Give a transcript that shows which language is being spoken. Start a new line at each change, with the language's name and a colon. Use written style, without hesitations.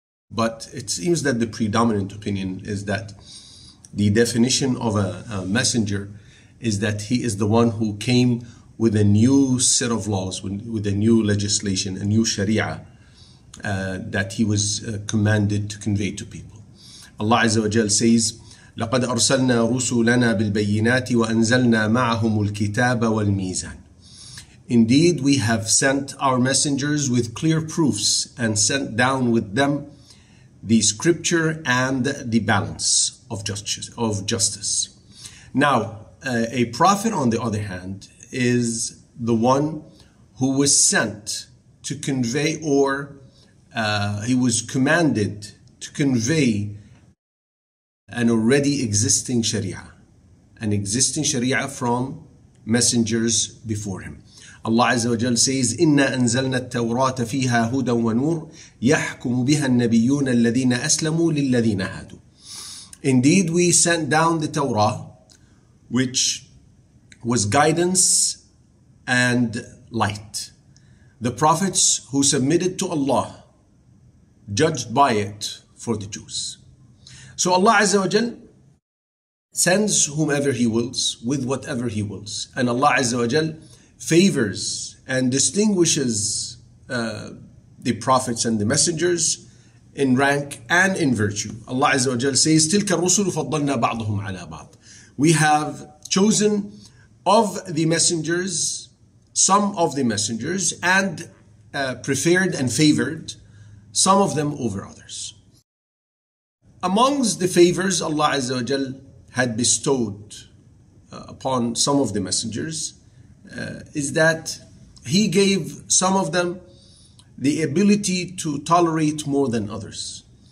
English: But it seems that the predominant opinion is that the definition of a messenger is that he is the one who came with a new set of laws, with a new legislation, a new sharia, that he was commanded to convey to people.
Arabic: Allah Azza wa Jal says, لَقَدْ أَرْسَلْنَا رُسُلَنَا بِالْبَيِّنَاتِ وَأَنْزَلْنَا مَعَهُمُ الْكِتَابَ وَالْمِيزَانِ.
English: Indeed, we have sent our messengers with clear proofs and sent down with them the scripture and the balance of justice. Now, a prophet, on the other hand, is the one who was sent to convey he was commanded to convey an already existing sharia, an existing sharia from messengers before him.
Arabic: Allah Azza wa Jal says, إِنَّا أَنزَلْنَا التَّوْرَاةَ فِيهَا هُدًى وَنُورٌ يَحْكُمُ بِهَا النَّبِيُّونَ الَّذِينَ أَسْلَمُوا لِلَّذِينَ هَادُوا.
English: Indeed, we sent down the Torah, which was guidance and light. The prophets who submitted to Allah judged by it for the Jews. So Allah Azza wa Jal sends whomever he wills with whatever he wills. And Allah Azza wa Jal favors and distinguishes the prophets and the messengers in rank and in virtue.
Arabic: Allah Azza wa Jal says, تِلْكَ الرُّسُلُ فَضَّلْنَا بَعْضُهُمْ عَلَىٰ بَعْضٍ.
English: We have chosen of the messengers, some of the messengers, and preferred and favored some of them over others. Amongst the favors Allah Azza wa Jal had bestowed upon some of the messengers is that he gave some of them the ability to tolerate more than others.